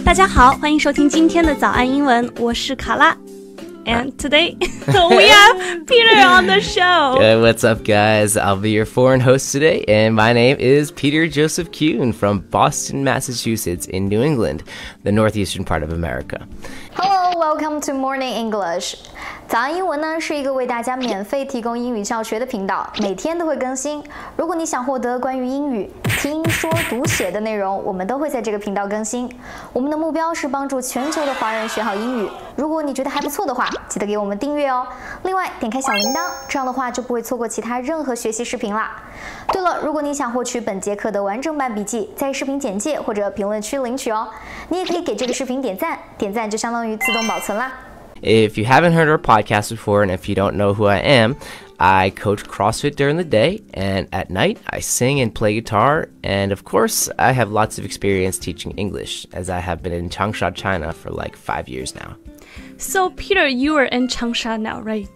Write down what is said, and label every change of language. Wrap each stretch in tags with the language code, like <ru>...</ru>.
<zh>大家好，欢迎收听今天的早安英文，我是卡拉。</zh> <en>And today, we have Peter on the show. Good, what's up, guys? I'll be your foreign host today, and my name is Peter Joseph Kuhn from Boston, Massachusetts in New England, the northeastern part of America. Hello, welcome to Morning English.</en> <zh>早安英文呢是一个为大家免费提供英语教学的频道，每天都会更新。如果你想获得关于英语听说读写的内容，我们都会在这个频道更新。我们的目标是帮助全球的华人学好英语。如果你觉得还不错的话，记得给我们订阅哦。另外，点开小铃铛，这样的话就不会错过其他任何学习视频了。对了，如果你想获取本节课的完整版笔记，在视频简介或者评论区领取哦。你也可以给这个视频点赞，点赞就相当于自动保存啦。</zh> <en>If you haven't heard our podcast before, and if you don't know who I am, I coach CrossFit during the day, and at night, I sing and play guitar, and of course, I have lots of experience teaching English, as I have been in Changsha, China for like 5 years now. So, Peter, you are in Changsha now, right?</en>